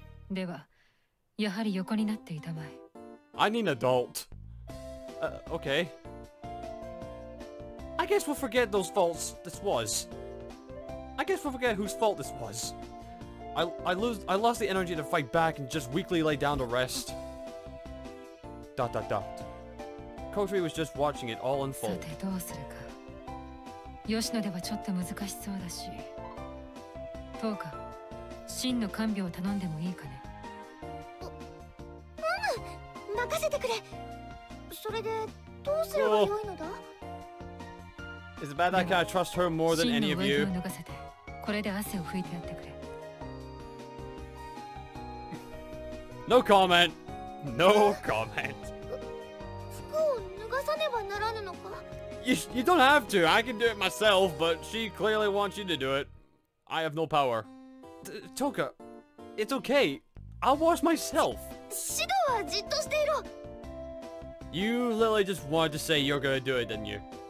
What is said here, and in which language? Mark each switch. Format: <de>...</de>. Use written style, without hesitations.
<ja>では、やはり横になっていたまえ。</ja> <en>I need an adult. Okay. I guess we'll forget those faults this was. I guess we'll forget whose fault this was. I lost the energy to fight back and just weakly lay down to rest. Dot dot dot. Kotri was just watching it all unfold.</en> <ja>さてどうするか。吉野ではちょっと難しそうだし。どうか、真の看病を頼んでもいいかね。任せてくれ。それでどうすればよいのだ。</ja> <en>Oh. It's bad that I can't trust her more than any of you.</en> <ja>脱がせて、これで汗を拭いてやってくれ。</ja> <en>No comment. No comment.</en> <ja>服を脱がさねばならぬのか。</ja> <en>You don't have to. I can do it myself, but she clearly wants you to do it. I have no power. Toka, it's okay. I'll wash myself.</en> <ja>Shido wa jitto shite iro.</ja> <en>You literally just wanted to say you're gonna do it, didn't you?</en>